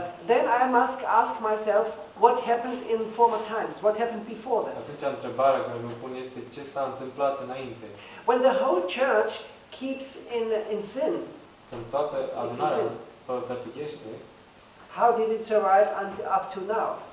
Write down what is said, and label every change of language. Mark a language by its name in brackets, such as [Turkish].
[English] Then I must ask myself, what happened in former times? What happened before that? [Romanian] Atunci întrebarea care mă pun este ce s-a întâmplat înainte. [English] When the whole church keeps in sin. [Romanian] Când toată adunarea păcătuiește. [English] How did it survive up to now?